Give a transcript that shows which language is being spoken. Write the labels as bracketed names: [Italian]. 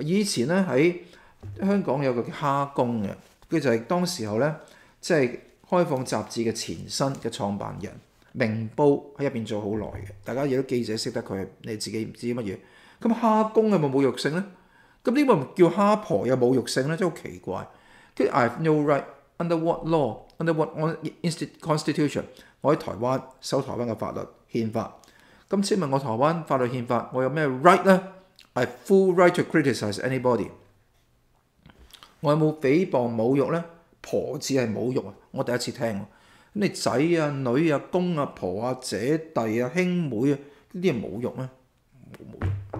[Chinese] 以前呢在香港有一個蝦公的，就是當時候呢，就是開放雜誌的前身的創辦人，明報在入面做很久，大家也都記者認識得他，你自己不知道什麼。那麼蝦公有沒有侮辱性呢？那這個叫蝦婆有侮辱性呢？真的很奇怪。 [English] I have no right under what law, under what constitution? [Chinese] 我在台灣守台灣的法律憲法，那請問我台灣法律憲法我有什麼 right 呢？ [English] I have full right to criticize anybody。 [Chinese] 我有沒有誹謗侮辱呢？婆子是侮辱，我第一次聽。你仔啊、女啊、公啊、婆啊、姐弟啊、兄妹啊，這些是侮辱嗎？沒侮辱。